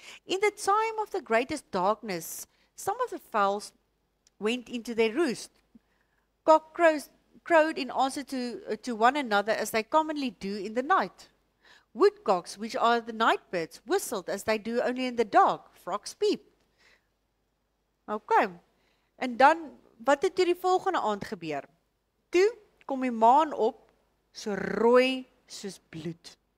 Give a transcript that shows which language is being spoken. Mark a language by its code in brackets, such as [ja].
[en] In the time of the greatest darkness, some of the fowls went into their roost. Cockcrows crowed in answer to one another as they commonly do in the night. Woodcocks, which are the night birds, whistled as they do only in the dark. Frogs peep. Okay. [af] En dan, wat het toe die volgende aand gebeur? Toe kom die maan op, so rooi soos bloed.